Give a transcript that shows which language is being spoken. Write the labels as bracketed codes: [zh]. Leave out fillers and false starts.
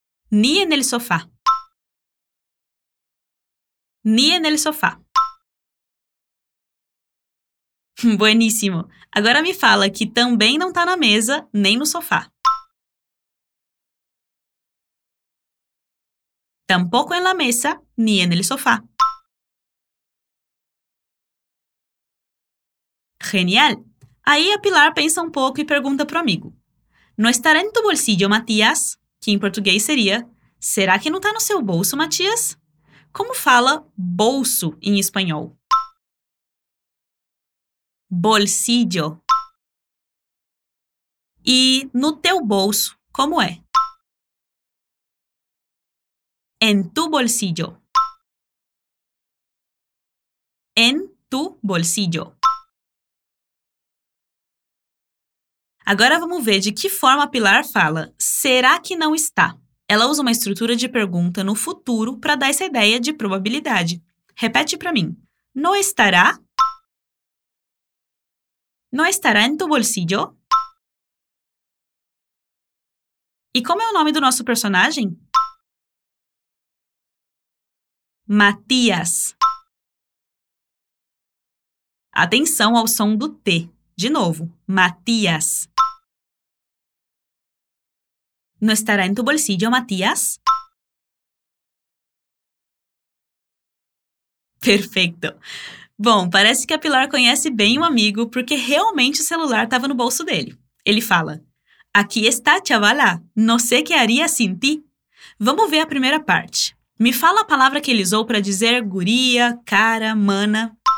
[es] Ni en el sofá. Ni en el sofá. [pt] Bueníssimo. Agora me fala que também não está na mesa nem no sofá. [es] Tampoco en la mesa ni en el sofá. [pt] Genial. Aí a Pilar pensa um pouco e pergunta para o amigo. [es] No estará en tu bolsillo, Matías? [pt] Que em português seria, será que não está no seu bolso, Matías? Como fala bolso em espanhol? [es] Bolsillo. [pt] E no teu bolso, como é? [es] En tu bolsillo. En tu bolsillo. [pt] Agora vamos ver de que forma a Pilar fala será que não está? Ela usa uma estrutura de pergunta no futuro para dar essa ideia de probabilidade. Repete para mim. [es] No estará? No estará en tu bolsillo? [pt] E como é o nome do nosso personagem? Matias. Atenção ao som do T. De novo. Matias. [es] No estará en tu bolsillo, Matías? [pt] Perfeito. Bom, parece que a Pilar conhece bem um amigo porque realmente o celular estava no bolso dele. Ele fala, aqui está, [es] chavala. No sé qué haría sin ti. [pt] Vamos ver a primeira parte. Me fala a palavra que ele usou para dizer guria, cara, mana.